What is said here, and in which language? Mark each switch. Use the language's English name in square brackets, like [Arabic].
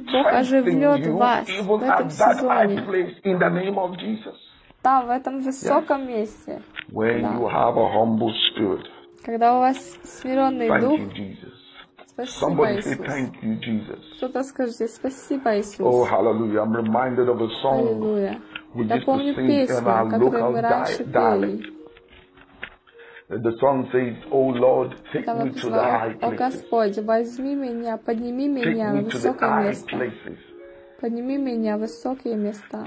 [Russian] Бог оживлет вас в этом сезоне. Там, в этом высоком месте. [English] When you have a humble spirit. [Russian] Когда у вас смиренный дух. [English] Somebody say, thank you, Jesus. [Russian] Кто-то скажет, спасибо, Иисус. [English] Oh, hallelujah. I'm reminded of a song we used to sing in our local dialect. The song says, oh Lord, take me to the high places. [Russian] О Господи, возьми меня, подними меня на высокое место. Подними меня в высокие места.